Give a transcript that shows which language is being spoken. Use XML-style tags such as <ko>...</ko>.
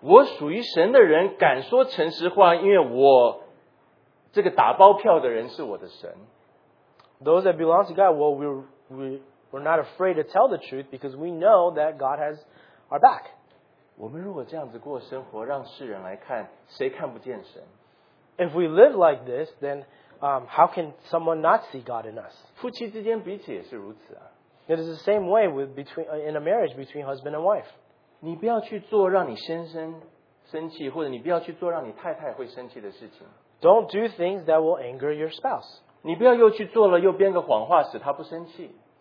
<zh>我属于神的人敢说诚实话，因为我这个打包票的人是我的神。</zh> <en>Those that belong to God, well, we're not afraid to tell the truth because we know that God has our back.</en> <zh>我们如果这样子过生活，让世人来看，谁看不见神？</zh> <en>If we live like this, then how can someone not see God in us?</en> <zh>夫妻之间彼此也是如此啊。</zh> <en>It is the same way with in a marriage between husband and wife.</en> <zh>你不要去做让你先生生气，或者你不要去做让你太太会生气的事情。</zh> <en>Don't do things that will anger your spouse.</en> <zh>你不要又去做了又编个谎话使他不生气。</zh>